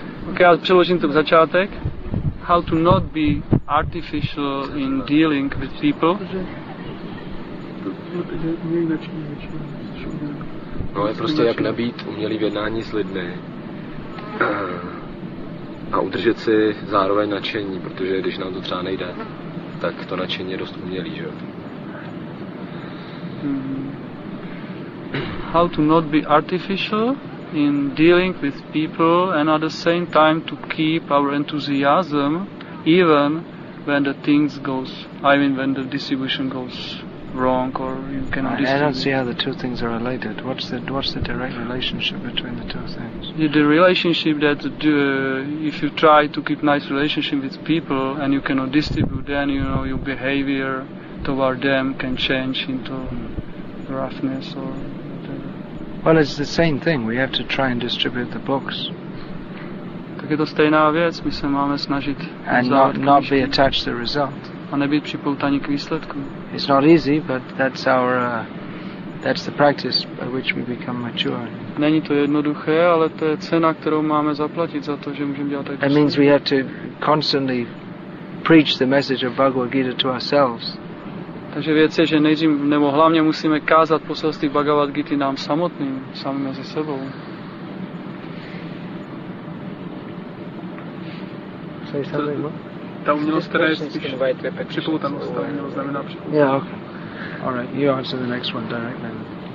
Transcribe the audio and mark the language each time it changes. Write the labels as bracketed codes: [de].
[en] Okay, I'll [cs] přeložím to v začátek. [en] How to not be artificial in dealing with people. [cs] No, je prostě jak nebýt umělý v jednání s lidmi. A udržet si zároveň nadšení, protože když nám to třeba nejde, tak to nadšení je dost umělý, že jo? [en] How to not be artificial in dealing with people and at the same time to keep our enthusiasm even when the things goes, I mean when the distribution goes wrong or you cannot distribute. I don't see how the two things are related. What's the direct relationship between the two things? The relationship that if you try to keep nice relationship with people and you cannot distribute, then you know your behavior toward them can change into roughness or whatever. Well, it's the same thing. We have to try and distribute the books. [cs] Tak je to stejná věc. My se máme snažit. [en] And not be attached to the result. [cs] A nebýt připoutaní k výsledku. [en] It's not easy, but that's our that's the practice by which we become mature. [cs] Není to jednoduché, ale to je cena, kterou máme zaplatit za to, že můžeme dělat takto. [en] That means we have to constantly preach the message of Bhagavad Gita to ourselves. [cs] Takže věc je, že nejdřív nebo hlavně musíme kázat poselství Bhagavad Gita nám samotným, sami mezi sebou. [en] Say something more? [cs] Ta umělost, která je spíš připoutaná, znamená připoutaná. [en] Yeah, okay. Alright, you answer the next one directly then.